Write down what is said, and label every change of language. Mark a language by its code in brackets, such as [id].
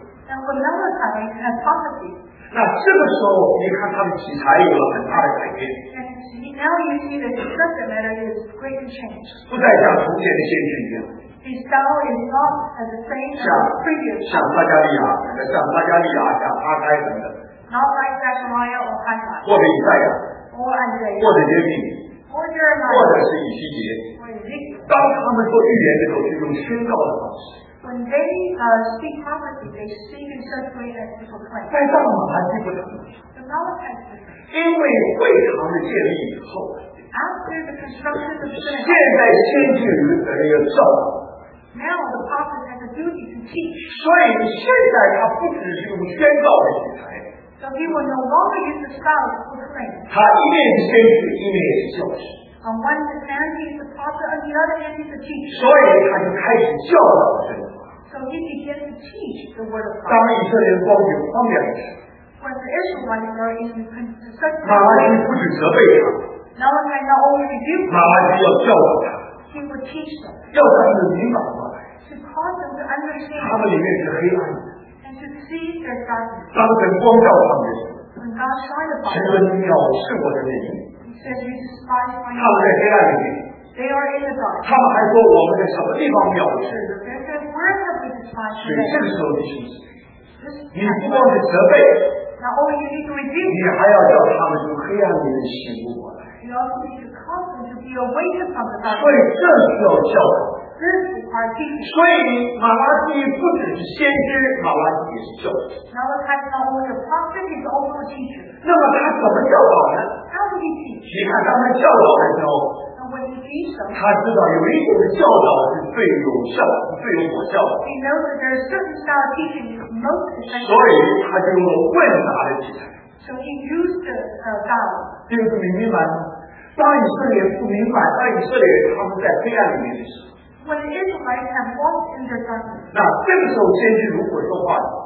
[en] And when Malachi had prophecy, [zh] 那这个时候你看他们题材有了很大的改变。 [en] And now you see that the subject matter is greatly changed. [zh] 不再像从前的先知一样。 [en] His style is not as the same as the previous. [zh] 像撒加利亚，像哈该等等。 [en] Not like Zechariah or Haggai. [zh] 或者以赛亚。 [en] Or Isaiah. [zh] 或者耶利米。 [en] Or Jeremiah. [zh] 或者是以西结。当他们做预言的时候，就用宣告的方式。 [en] When they speak prophecy, they speak in such way as people pray. [zh] 但是马拉基不同。 [en] The Malachi. [zh] 因为会堂的建立以后 [en] ，After the construction of the temple. [zh] 现在先知的那个教导。 [en] Now the prophet has a duty to teach. [zh] 所以现在他不只是用宣告的题材。 [en] So he will no longer use the style to proclaim. [zh] 他一面是先知，一面也是教师。 [en] On one hand, he is the prophet, on the other hand, he is the teacher. [zh] 所以他就开始教导神。 [en] So he began to teach the word of God. [zh] 当以色列光有荒凉时， [en] When the Israelites are in the such a place, [zh] 马拉基不止责备他， [en] Malachi not only rebuked him, [zh] 马拉基要教导他， [en] He would teach them. [zh] 要他们明白过来。 [en] To cause them to understand. [zh] 他们里面是黑暗的。 [en] And to see their darkness. [zh] 当神光照他们的时候。 [en] When God shined upon them. [zh] 神说你藐视我的内心。 [en] He said, you despise my name. [zh] 他们在黑暗里面。 [en] They are in the dark. [zh] 他们还说我们在什么地方藐视。 [en] They said, where have we despised them? [zh] 所以这个时候你醒醒。你不光是责备。 [en] Not only you need to redeem, [zh] 你还要叫他们从黑暗里面醒悟过来。 [en] You also need to cause them to be awakened from the dark. [zh] 所以这需要教导。 [en] This is our teaching. [zh] 所以马拉基不只是先知，马拉基也是教导。 [en] Malachi is not only a prophet, he's also a teacher. [zh] 那么他怎么教导呢？ [en] How did he teach? [zh] 你看他们教导的时候。他知道有一种的教导是最有效的，最有果效的。 [en] He knows that there is certain style of teaching is most effective. [zh] 所以他就用了问答的题材。 [en] So he used the dialogue. [zh] 弟兄姊妹明白吗？当以色列不明白，当以色列他们在黑暗里面的时候。 [en] When Israelites have walked in the darkness. [zh] 那这个时候先知如果说话了。